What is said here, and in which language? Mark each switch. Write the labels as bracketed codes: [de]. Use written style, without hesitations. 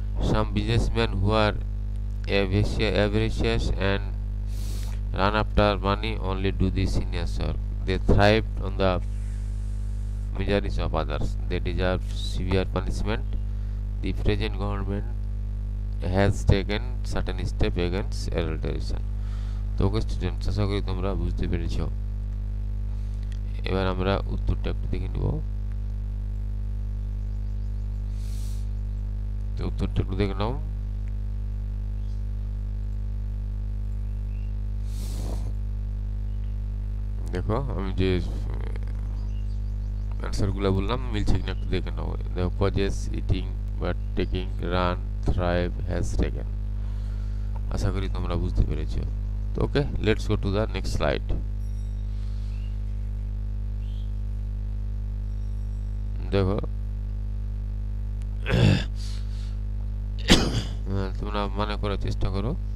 [en] Some businessmen who are avaricious and run after money only do this in a circle. They thrive on the miseries of others. They deserve severe punishment. The present government has taken certain step against adulteration. [bn] তো okay students, আশা করি তোমরা বুঝতে পেরেছ। এবার আমরা উত্তরটা একটু দেখে নিব। তো উত্তরটা একটু দেখে নাও। দেখো আমি যে অ্যান্সার গুলা বললাম মিলছে কিনা একটু দেখে নাও। দেখো [en] causes eating but taking run thrive has taken, [bn] আশা করি তোমরা বুঝতে পেরেছ। [en] Okay, let's go to the next slide. [bn] দেখো তোমরা মনে করার চেষ্টা করো,